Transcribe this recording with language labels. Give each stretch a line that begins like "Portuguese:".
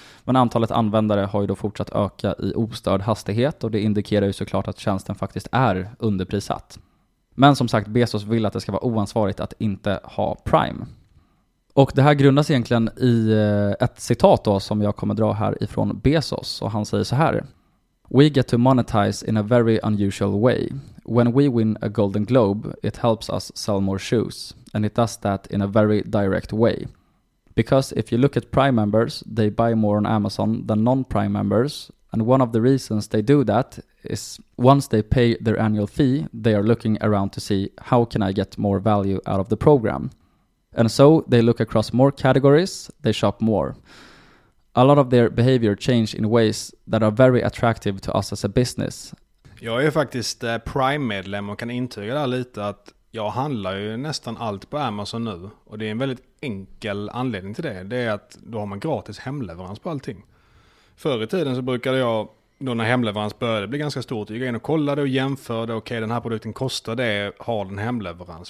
Swedish: Men antalet användare har ju då fortsatt öka i ostörd hastighet och det indikerar ju såklart att tjänsten faktiskt är underprissatt. Men som sagt, Bezos vill att det ska vara oansvarigt att inte ha Prime. Och det här grundas egentligen i ett citat då som jag kommer dra här ifrån Bezos och han säger så här:
English: "We get to monetize in a very unusual way. When we win a Golden Globe, it helps us sell more shoes. And it does that in a very direct way. Because if you look at Prime members, they buy more on Amazon than non-Prime members. And one of the reasons they do that is once they pay their annual fee, they are looking around to see how can I get more value out of the program. And so they look across more categories, they shop more. A lot of their behavior change in ways that are very attractive to us as a business."
Swedish: Jag är ju faktiskt Prime-medlem och kan intyga där lite att jag handlar ju nästan allt på Amazon nu. Och det är en väldigt enkel anledning till det. Det är att då har man gratis hemleverans på allting. Förr i tiden så brukade jag, då när hemleverans började bli ganska stort, jag gick in och kollade och jämförde, okej, den här produkten kostar det, har den hemleverans.